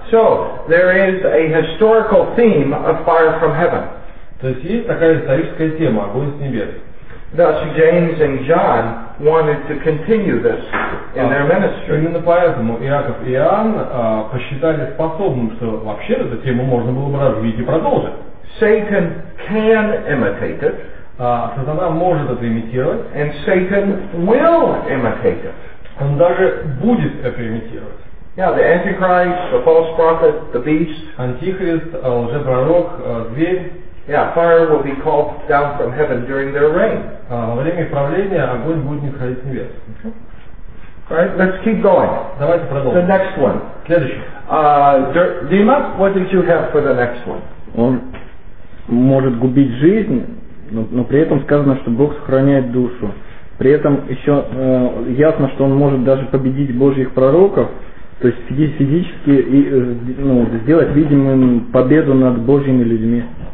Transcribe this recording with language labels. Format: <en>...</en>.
<en>So, there is a historical theme of fire from heaven.</en> <ru>То есть, есть такая историческая тема, огонь с небес.</ru> <en>Thus, James and John wanted to continue this in their ministry.</en> <ru>Именно поэтому Иаков и Иоанн посчитали способным, что вообще эту тему можно было бы развить и продолжить.</ru> <en>Satan can imitate it.</en> <ru>Сатана может это имитировать.</ru> <en>And Satan will imitate it.</en> <ru>Он даже будет это имитировать.</ru> <en>Yeah, the Antichrist, the false prophet, the beast.</en> <ru>Антихрист, лжепророк, зверь.</ru> <en>Yeah, fire will be called down from heaven during their reign.</en> <ru>Во время правления огонь будет нисходить с небес.</ru> <en>Right, let's keep going.</en> <ru>Давайте продолжим.</ru> <en>The next one.</en> <ru>Следующий.</ru> <en>Дима, what did you have for the next one?</en> <ru>Он может губить жизнь, но при этом сказано, что Бог сохраняет душу. При этом еще ясно, что он может даже победить Божьих пророков. То есть физически и, ну, сделать видимым победу над Божьими людьми.</ru>